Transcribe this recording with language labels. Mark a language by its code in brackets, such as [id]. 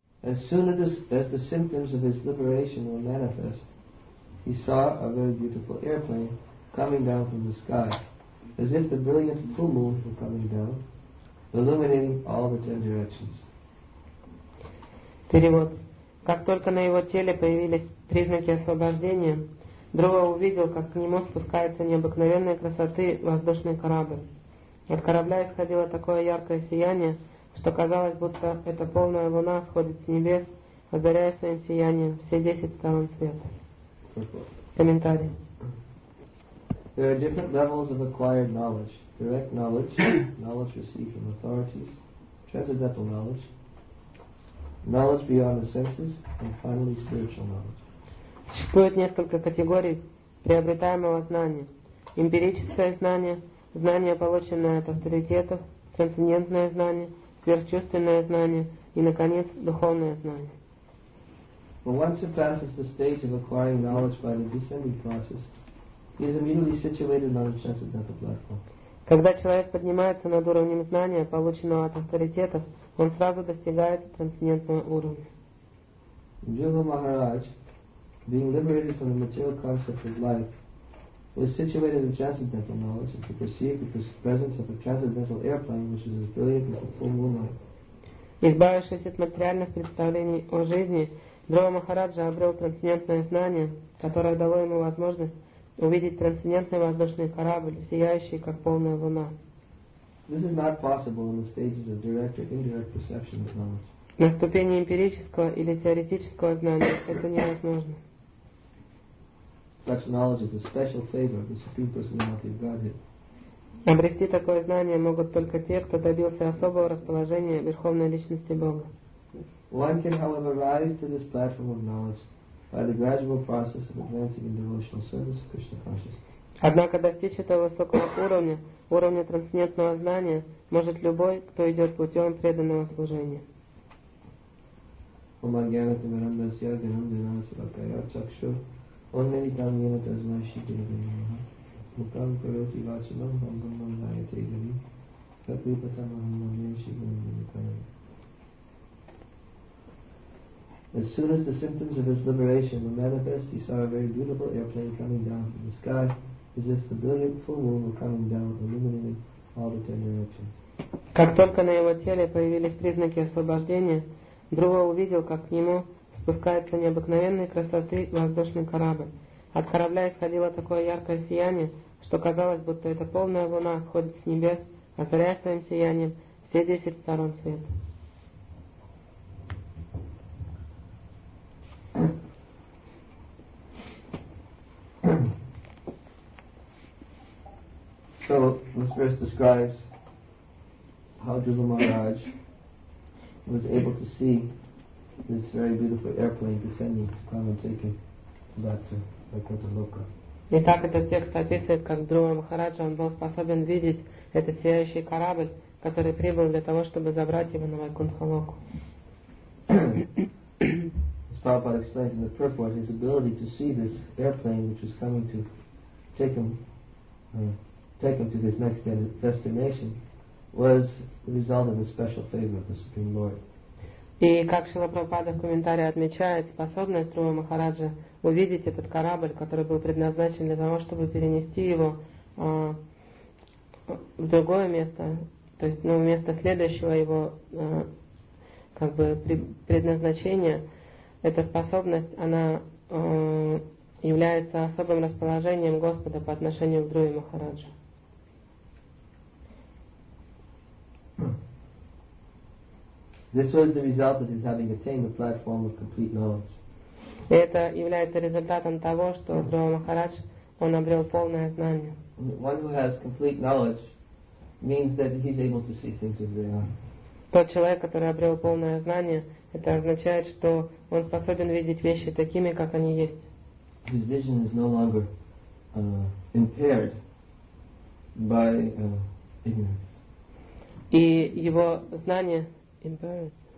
[en] As soon as the symptoms of his liberation were manifest, he saw a very beautiful airplane coming down from the sky, as if the brilliant full moon were coming down, illuminating all the 10 directions. [ru] Перевод. Как только на его теле появились признаки освобождения, Друва увидел, как к нему спускается необыкновенной красоты воздушный корабль. От корабля исходило такое яркое сияние, что казалось, будто эта полная луна сходит с небес, озаряя своим сиянием все 10 сторон света. Комментарий. [en] There are different levels of acquired knowledge. Direct knowledge, knowledge received from authorities, transcendental knowledge, knowledge beyond the senses, and finally spiritual knowledge. [ru] Существует несколько категорий приобретаемого знания. Эмпирическое знание, знание, полученное от авторитетов, трансцендентное знание, сверхчувственное знание и, наконец, духовное знание. [en] When one surpasses the stage of acquiring knowledge by the descending process, he is immediately situated on the transcendental platform. [ru] Когда человек поднимается над уровнем знания, полученного от авторитетов, он сразу достигает трансцендентного уровня. [en] Джива Махарадж, being liberated from the material concept of life, was situated in transcendental knowledge and could perceive the presence of a transcendental airplane which was as brilliant as the full moonlight. [ru] Избавившись от материальных представлений о жизни, Джива Махараджа обрел трансцендентное знание, которое дало ему возможность увидеть трансцендентный воздушный корабль, сияющий как полная луна. [en] This is not possible in the stages of direct or indirect perception of knowledge. [ru] На ступени эмпирического или теоретического знания это невозможно. [en] Such knowledge is a special favor of the Supreme Personality of Godhead. [ru] Обрести такое знание могут только те, кто добился особого расположения Верховной Личности Бога. [en] One can, however, rise to this platform of knowledge by the gradual process of advancing in devotional service to Krishna consciousness. [ru] Однако достичь этого высокого уровня, уровня трансцендентного знания, может любой, кто идет путем преданного служения. [sa] Ом агьянатам арамдасья динам динасракая чакшур ом нитам йонатазмайши динамаха мукам кароти вачанам хамгам мандая тейгали хатрипатам ахамамьяши динамаха. [en] As soon as the symptoms of his liberation were manifest, he saw a very beautiful airplane coming down from the sky, as if the brilliant full moon were coming down, illuminating all the 10 directions. [ru] Как только на его теле появились признаки освобождения, Друва увидел, как к нему спускается необыкновенной красоты воздушный корабль. От корабля исходило такое яркое сияние, что казалось, будто эта полная луна сходит с небес, озаряя своим сиянием все 10 сторон света. [en] So this verse describes how Dhruva Maharaj was able to see this very beautiful airplane descending to come and take him back to Vaikuntha Loka. [ru] Итак, этот текст описывает, как Дхрува Махараджа он был способен видеть этот сияющий корабль, который прибыл для того, чтобы забрать его на Вайкунтха Локу. [en] As Prabhupada explains in the purport, his ability to see this airplane which was coming to take him to this next destination was the result of the special favor of the Supreme Lord. [ru] И как Шрила Прабхупада в комментарии отмечает, способность Дхрува Махараджа увидеть этот корабль, который был предназначен для того, чтобы перенести его в другое место, то есть ну, вместо следующего его как бы предназначения, эта способность, она является особым расположением Господа по отношению к Дхруве Махараджу. [en] This was the result of his having attained the platform of complete knowledge. [ru] Это является результатом того, что Дхрува Махарадж он обрел полное знание. [en] One who has complete knowledge means that he's able to see things as they are. [ru] Тот человек, который обрел полное знание, это означает, что он способен видеть вещи такими, как они есть. [en] His vision is no longer impaired by ignorance. [ru] И его знание [en] impaired.